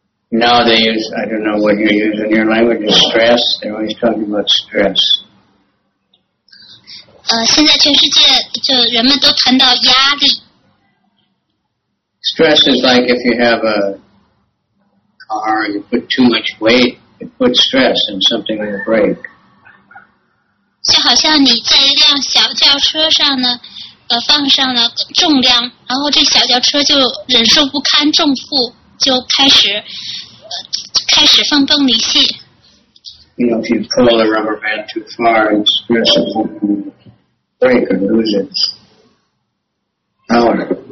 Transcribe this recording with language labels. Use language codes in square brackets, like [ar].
[en] Now they use, I don't know what you use in your language, stress. They're always talking about stress. [zh] 现在全世界就人们都谈到压力。 [en] Stress is like if you have a car, you put too much weight, it puts stress and something will break. [zh] 就好像你在一辆小轿车上呢，放上了重量，然后这小轿车就忍受不堪重负，就开始放崩离析。 [en] You know, if you pull the rubber band too far, it stresses and break or lose its power.